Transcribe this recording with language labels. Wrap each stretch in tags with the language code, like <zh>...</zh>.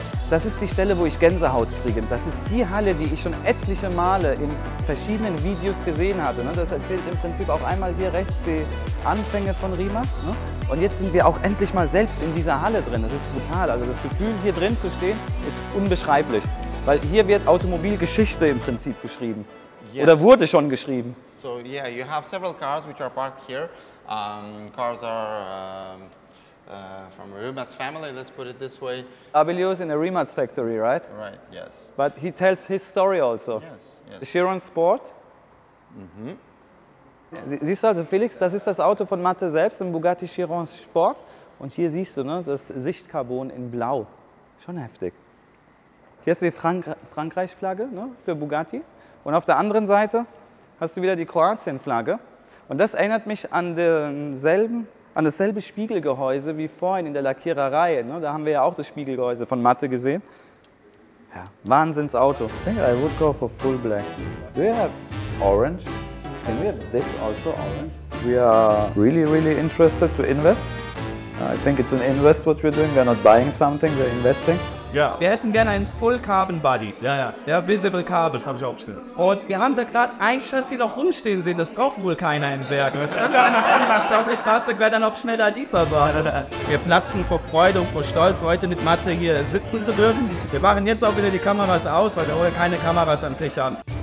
<de>Das ist die Stelle, wo ich Gänsehaut kriege. Das ist die Halle, die ich schon etliche Male in verschiedenen Videos gesehen hatte. Das erzählt im Prinzip auch einmal hier rechts die Anfänge von Rimac. Und jetzt sind wir auch endlich mal selbst in dieser Halle drin. Das ist brutal. Also das Gefühl, hier drin zu stehen, ist unbeschreiblich. Weil hier wird Automobilgeschichte im Prinzip geschrieben.</de> <en>Yes.</en> <de>Oder wurde schon geschrieben.</de> <en>So, yeah, you have several cars which are parked here. Cars are from Rimac family, let's put it this way. Abelio's in a Rimac factory, right? Right, yes. But he tells his story also. Yes, yes. The Chiron Sport. Mm-hmm.</en> <de>Siehst du also, Felix, das ist das Auto von Mathe selbst, ein Bugatti Chiron Sport. Und hier siehst du, ne, das Sichtcarbon in Blau. Schon heftig. Hier hast du die Frankreich-Flagge, ne, für Bugatti. Und auf der anderen Seite hast du wieder die Kroatien-Flagge. Und das erinnert mich an denselben, an dasselbe Spiegelgehäuse wie vorhin in der Lackiererei. Ne? Da haben wir ja auch das Spiegelgehäuse von Mathe gesehen. Ja, Wahnsinnsauto.</de> <en>I think I would go for full black. Do you have orange? Can we have this also orange? We are really, really interested to invest. I think it's an invest what we're doing. We're not buying something, we're investing.</en> <de>Ja. Wir hätten gerne einen Full Carbon Body. Ja, ja. Ja, Visible Carbon. Das habe ich auch bestellt. Und wir haben da gerade ein Chassis noch rumstehen sehen. Das braucht wohl keiner im Werk. Das können wir noch anmachen. Ich glaube, das Fahrzeug wäre dann auch schneller lieferbar. Wir platzen vor Freude und vor Stolz, heute mit Mathe hier sitzen zu dürfen. Wir machen jetzt auch wieder die Kameras aus, weil wir heute keine Kameras am Tisch haben.</de>